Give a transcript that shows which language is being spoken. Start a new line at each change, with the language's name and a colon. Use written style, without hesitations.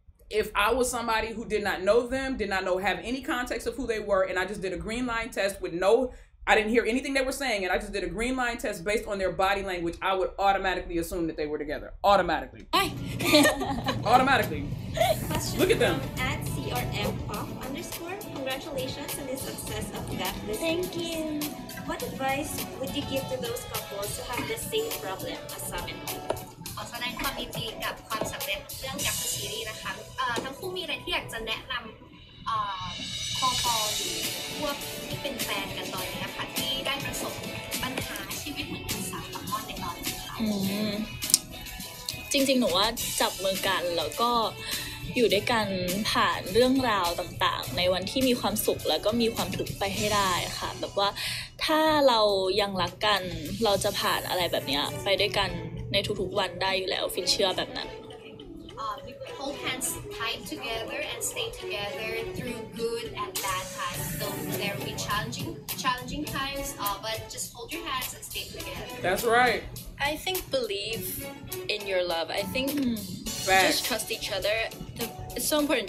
English: If I was somebody who did not know them, did not know, have any context of who they were, and I just did a green line test with no, I didn't hear anything they were saying, and I just did a green line test based on their body language, I would automatically assume that they were together. Automatically. Hi. Automatically. Question. Look at them. At @crmpop_, congratulations on the success of that business. Thank you. What advice would you give to those couples who have the same problem as some in
Thai: ขอแสดงความยินดีกับความสำเร็จเรื่องจากซีรีส์นะคะทั้งคู่มีอะไรที่อยากจะแนะนำคอปอหรือพวกที่เป็นแฟนกันตอนนี้นะคะที่ได้ประสบปัญหาชีวิตเหมือนกันสามคนในตอนนี้ค่ะ จริงๆหนูว่าจับมือกันแล้วก็อยู่ด้วยกันผ่านเรื่องราวต่างๆในวันที่มีความสุขแล้วก็มีความทุกข์ไปให้ได้ค่ะแบบว่าถ้าเรายังรักกันเราจะผ่านอะไรแบบนี้ไปด้วยกันในทุกๆวันได้อยู่แล้วฟินเชื่อแบบนั้น
English: hold hands tight together and stay together through good and bad times though there be challenging times but just hold your hands and stay together that's right I think believe in your love I thinkBack. Just trust each other. It's so important.